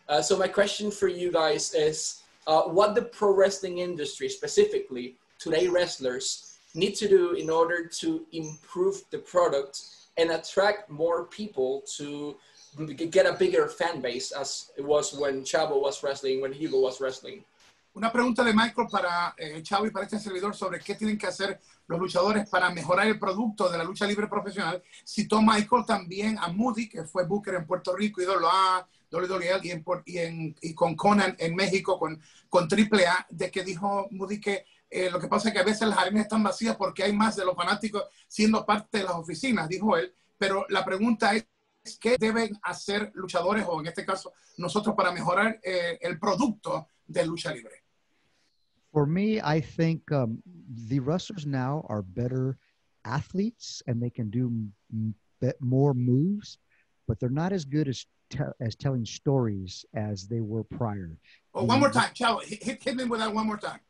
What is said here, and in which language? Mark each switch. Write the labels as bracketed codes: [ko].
[en] So my question for you guys is, what the pro wrestling industry, specifically today wrestlers, need to do in order to improve the product and attract more people to get a bigger fan base, as it was when Chavo was wrestling, when Hugo was wrestling? [es] Una pregunta de Michael para Chavo y para este servidor sobre qué tienen que hacer los luchadores para mejorar el producto de la lucha libre profesional. Citó Michael también a Moody, que fue booker en Puerto Rico, ídolo A, WWE, y con Conan en México, con AAA, de que dijo Moody que lo que pasa es que a veces las arenas están vacías porque hay más de los fanáticos siendo parte de las oficinas, dijo él. Pero la pregunta es, ¿qué deben hacer luchadores, o en este caso, nosotros, para mejorar el producto de lucha libre? [en] For me, I think the wrestlers now are better athletes and they can do more moves, but they're not as good as telling stories as they were prior. Oh, one more time, Chavo, hit me with that one more time.